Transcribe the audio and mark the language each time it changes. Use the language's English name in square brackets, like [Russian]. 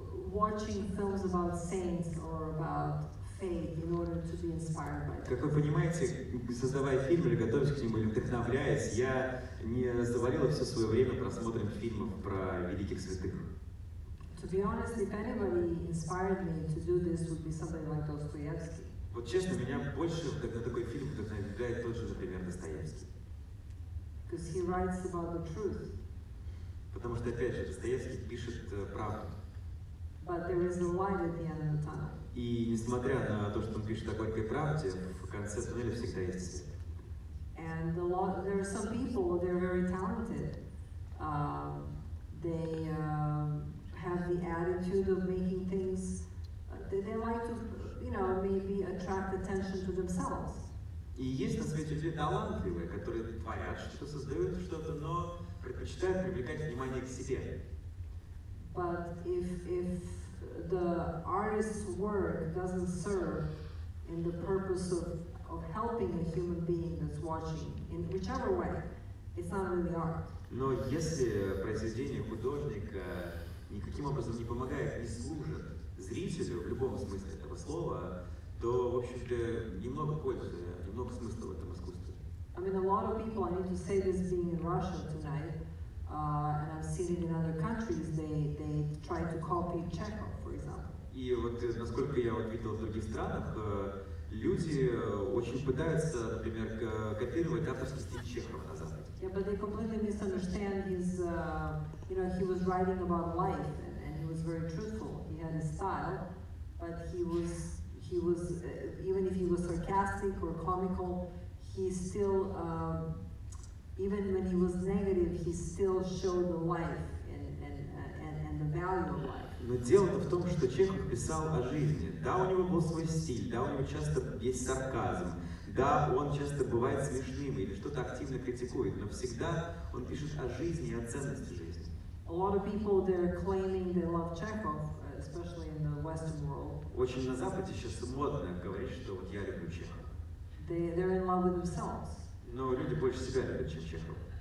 [English] Watching films about saints or about faith in order to be inspired by them. [Russian] Как вы понимаете, создавая фильмы или готовясь к ним, или вдохновляясь, я не завалила все свое время просмотром фильмов про великих святых. [English] To be honest, if anybody inspired me to do this, would be somebody like Dostoevsky. [Russian] Вот честно, меня больше на такой фильм вдохновляет тот же, например, Достоевский. [English] Because he writes about the truth. [Russian] Потому что, опять же, Достоевский пишет правду. [English] But there is a light at the end of the tunnel. [Russian] И несмотря на то, что он пишет о горькой правде, в конце туннеля всегда есть свет. [English] And a lot, there are some people, they're very talented. They have the attitude of making things, they like to, you know, maybe attract attention to themselves. [Russian] И есть на свете люди талантливые, которые творят что-то, создают что-то, но предпочитают привлекать внимание к себе. [English] But if the artist's work doesn't serve in the purpose of helping a human being that's watching, in whichever way, it's not really art. [Russian] Но если произведение художника никаким образом не помогает, не служит зрителю в любом смысле этого слова, то, в общем-то, немного пользы, немного смысла в этом искусстве. [English] I mean, a lot of people, I need to say this being in Russia tonight, and I've seen it in other countries, they try to copy Chekhov, for example. [Russian] И вот, насколько я вот видел в других странах, люди очень пытаются, например, копировать авторский стиль Чехова на Западе. [English] Yeah, but they completely misunderstand his, you know, he was writing about life, and he was very truthful. He had a style, but he was even if he was sarcastic or comical, he still, even when he was negative, he still showed the life and the value of life. [Russian] Но дело-то в том, что Чехов писал о жизни. Да, у него был свой стиль, да, у него часто есть сарказм, да, он часто бывает смешным или что-то активно критикует, но всегда он пишет о жизни и о ценности жизни. [English] A lot of people, they're claiming they love Chekhov, especially in the Western world. [Russian] Очень на Западе сейчас модно говорить, что вот я люблю Чехова. [English] They're in love with themselves. [Russian] Но люди больше себя любят, чем Чехова.